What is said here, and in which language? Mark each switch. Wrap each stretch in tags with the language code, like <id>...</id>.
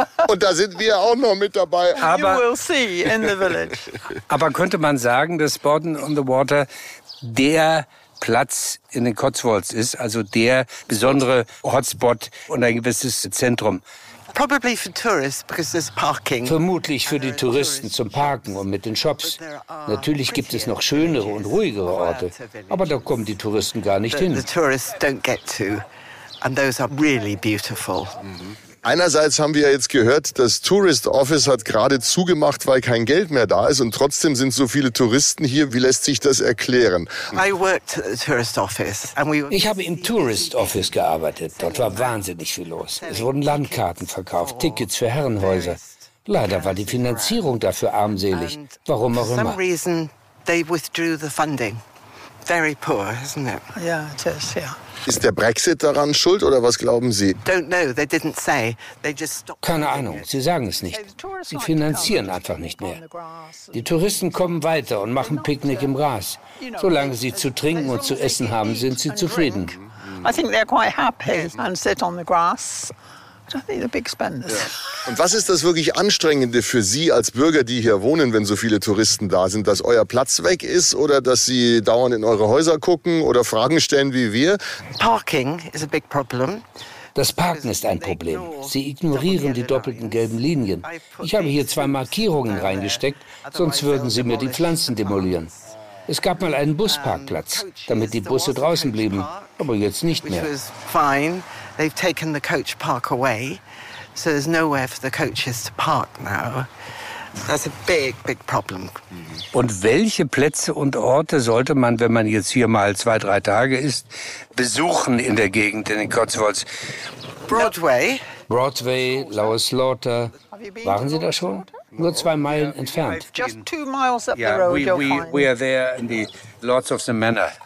<de>Und da sind wir auch noch mit dabei.</de> <en>Aber, you will see in the village.</en> <de>Aber könnte man sagen, dass Borden on the Water der Platz in den Cotswolds ist, also der besondere Hotspot und ein gewisses Zentrum?</de> <en>Probably for tourists because there's parking.</en> <de>Vermutlich für die Touristen zum Parken und mit den Shops. Natürlich gibt es noch schönere und ruhigere Orte, aber da kommen die Touristen gar nicht hin.</de> <en>The tourists don't get to, and those are really beautiful.</en> <de>Einerseits haben wir ja jetzt gehört, das Tourist Office hat gerade zugemacht, weil kein Geld mehr da ist, und trotzdem sind so viele Touristen hier. Wie lässt sich das erklären? Ich habe im Tourist Office gearbeitet. Dort war wahnsinnig viel los. Es wurden Landkarten verkauft, Tickets für Herrenhäuser. Leider war die Finanzierung dafür armselig. Warum auch immer.</de> <en>For some reason they withdrew the funding. Very poor, isn't it? Yeah, it is. Yeah.</en> <de>Ist der Brexit daran schuld, oder was glauben Sie?</de> <en>Don't know, they didn't say. They just stopped.</en> <de>Keine Ahnung, sie sagen es nicht. Sie finanzieren einfach nicht mehr. Die Touristen kommen weiter und machen Picknick im Gras. Solange sie zu trinken und zu essen haben, sind sie zufrieden.</de> <en>I think they're quite happy and sit on the grass. I don't think they're big spenders.</en> <de>Und was ist das wirklich Anstrengende für Sie als Bürger, die hier wohnen, wenn so viele Touristen da sind? Dass euer Platz weg ist oder dass sie dauernd in eure Häuser gucken oder Fragen stellen wie wir?</de> <en>Parking is a big problem.</en> <de>Das Parken ist ein Problem. Sie ignorieren die doppelten gelben Linien. Ich habe hier zwei Markierungen reingesteckt, sonst würden sie mir die Pflanzen demolieren. Es gab mal einen Busparkplatz, damit die Busse draußen blieben, aber jetzt nicht mehr.</de> <en>They've taken the coach park away, so there's nowhere for the coaches to park now. That's a big, big problem.</en> <de>Und welche Plätze und Orte sollte man, wenn man jetzt hier mal zwei, drei Tage ist, besuchen in der Gegend in den Cotswolds? Broadway, Lower Slaughter. Waren Sie da schon? Nur zwei Meilen entfernt.</de> <en>Just 2 miles up the road, you'll find. We are there in the Lords of the Manor.</en>